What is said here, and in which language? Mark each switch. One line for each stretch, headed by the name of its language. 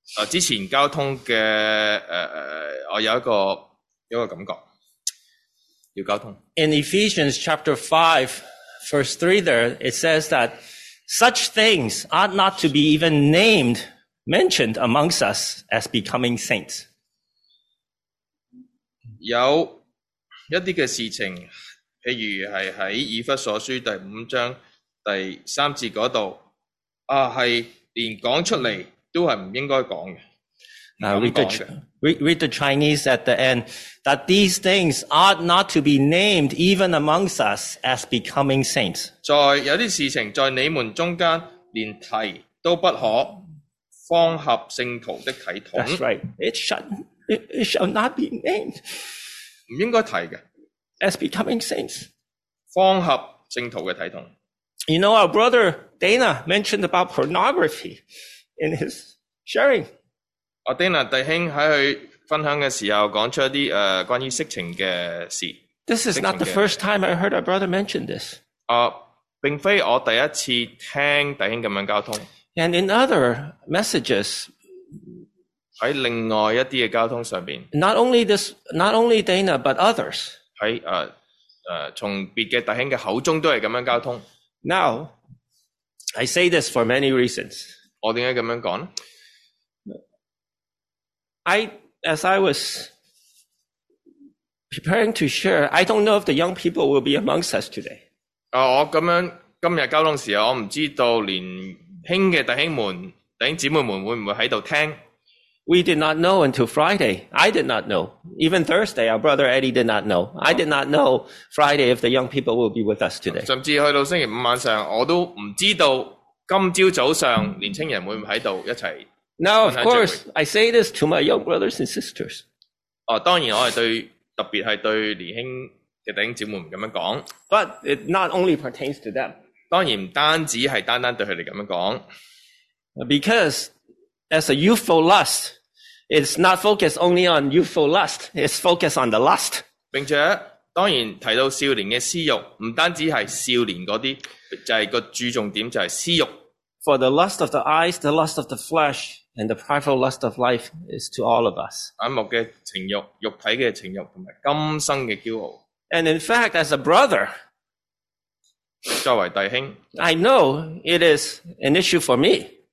Chinese: 之前交通的我有一个感觉。
English: In Ephesians chapter 5, verse 3 there, it says that such things ought not to be even named, mentioned amongst us as becoming saints.
Chinese: 有一些事情，譬如是在以弗所书第五章第三节那里，是连讲出来都是不应该讲的。
English: Read the Chinese at the end, that these things ought not to be named even amongst us as becoming saints.
Chinese: 在有些事情在你们中间连提都不可，方合圣徒的体统。
English: That's right. It shall not be named.
Chinese: 不应该提的。
English: As becoming saints.
Chinese: 方合圣徒的体统。
English: You know, our brother Dana mentioned about pornography in his sharing.
Chinese: Dana 弟兄在他分享的时候讲出一些关于色情的事。
English: This is not the first time I heard our brother mention this.
Chinese: 并非我第一次听弟兄这样交通。
English: And in other messages,
Chinese: 喺另外一啲嘅交通上面。
English: Not only Dana, but others.
Chinese: 喺从别嘅弟兄嘅口中都系咁样交通。
English: Now, I say this for many reasons.
Chinese: 我点解咁样讲
English: 咧 ？As I was preparing to share, I don't know if the young people will be amongst us today.
Chinese: 我咁样今日交通时候，我唔知道年轻嘅弟兄们、弟兄姊妹们会唔会喺度听。
English: We did not know until Friday. I did not know. Even Thursday, our brother Eddie did not know. I did not know Friday if the young people will be with us today.
Chinese: 甚至去到星期五晚上，我都唔知道今朝早上年青人会唔喺度一齐。
English: Now, of course, I say this to my young brothers and sisters.
Chinese: 当然我系对特别系对年轻嘅弟兄姊妹咁样讲。
English: But it not only pertains to them.
Chinese: 当然唔单止系单单对佢哋咁样讲。
English: Because as a youthful lust, it's not focused only on youthful lust, it's focused on the lust.
Chinese: 并且当然提到少年的私欲，不单只是少年那些，就是个注重点就是私欲。
English: For the lust of the eyes, the lust of the flesh, and the prideful lust of life is to all of us.
Chinese: 眼目的情欲、肉体的情欲和今生的骄傲。
English: And in fact, as a brother,
Chinese: 作为弟兄,
English: I know it is an issue for me.